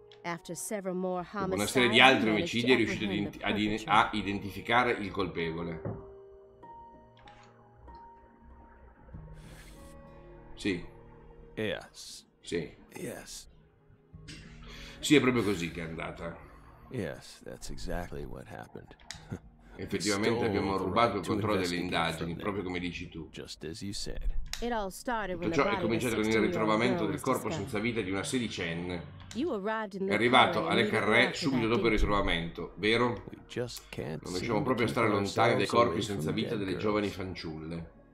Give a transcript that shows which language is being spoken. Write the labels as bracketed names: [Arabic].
[Italian] Dopo una serie di altri omicidi è riuscito a identificare il colpevole. Sì. [English] Yes. [Italian] Sì. [English] Yes. [Italian] Sì, è proprio così che è andata. [English] Yes, that's exactly what happened. [Italian] Effettivamente abbiamo rubato il controllo delle indagini, proprio come dici tu. [English] Just as you said. [Italian] Tutto ciò è cominciato con il ritrovamento del corpo senza vita di una sedicenne. È arrivato alle Carré subito dopo il ritrovamento, vero? Non riusciamo proprio a stare lontani dai corpi senza vita delle giovani fanciulle.